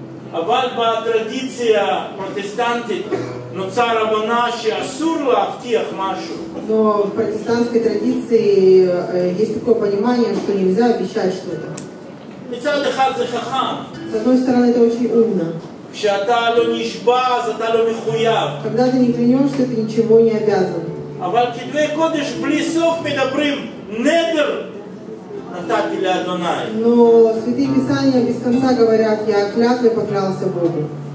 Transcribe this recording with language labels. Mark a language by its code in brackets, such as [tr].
[ru] Но в протестантской традиции есть такое понимание, что нельзя обещать что-то. С одной стороны, это очень умно. Когда ты не клянешься, ты ничего не обязан. [he] אבל כתבי קודש בלי סוף מדברים נדר נתתי לאדוני. [ru] Но святые писания без конца говорят, я клятвой поклялся Богу.